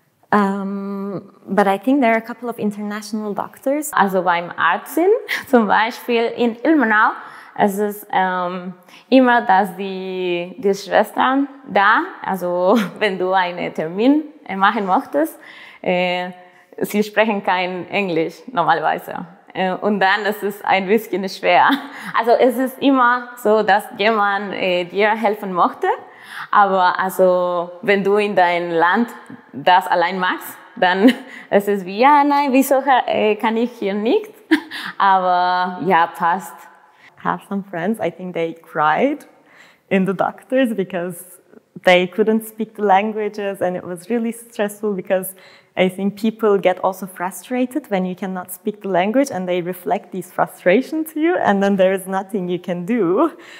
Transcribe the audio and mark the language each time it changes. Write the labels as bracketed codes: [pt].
[en] But I think there are a couple of international doctors. [de] Also beim Arzt, zum Beispiel in Ilmenau, es ist immer, dass die Schwestern da, also wenn du einen Termin machen möchtest, sie sprechen kein Englisch normalerweise. Und dann ist es ein bisschen schwer. Also es ist immer so, dass jemand dir helfen möchte. Aber also wenn du in dein Land das allein machst, dann ist es wie, ja, nein, wieso kann ich hier nicht? Aber ja, passt. [en] I have some friends, I think they cried in the doctors because they couldn't speak the languages and it was really stressful because I think people get also frustrated when you cannot speak the language and they reflect this frustration to you and then there is nothing you can do.